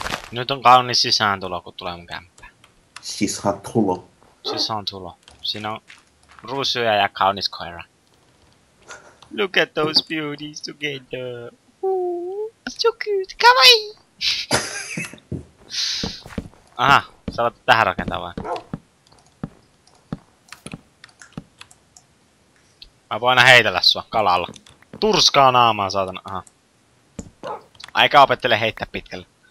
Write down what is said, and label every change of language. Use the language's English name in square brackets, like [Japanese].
[Finnish] Nyt on kaunis sisääntulo, kun tulee mun kämppä. Sisääntulo. Sisääntulo. Siinä on ruusuja ja kaunis koira. [English] Look at those beauties together. Ooh, so cute. Kawaii! [Finnish] Aha, sä alat tähän rakentaa vaan. Mä voin aina heitellä sua kalalla. Turskaa naamaa, saatana. Aha. Aika opettele heittää pitkälle.